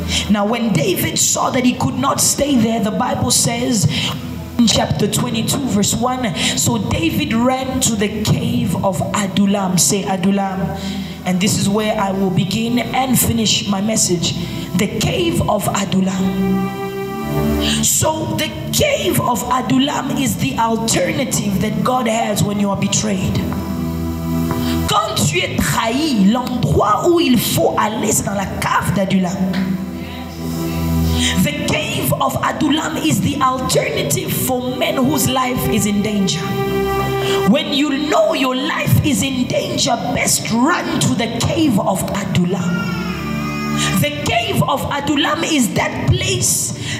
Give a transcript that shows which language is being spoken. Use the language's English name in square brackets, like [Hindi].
[English] Now, when David saw that he could not stay there, the Bible says in chapter 22, verse 1, so David ran to the cave of Adullam. Say, Adullam. And this is where I will begin and finish my message. The cave of Adullam. So the cave of Adullam is the alternative that God has when you are betrayed. [French] Quand tu es trahi, l'endroit où il faut aller, c'est dans la cave d'Adullam. [English] The cave of Adullam is the alternative for men whose life is in danger. When you know your life is in danger, best run to the cave of Adullam. The cave of Adullam is that place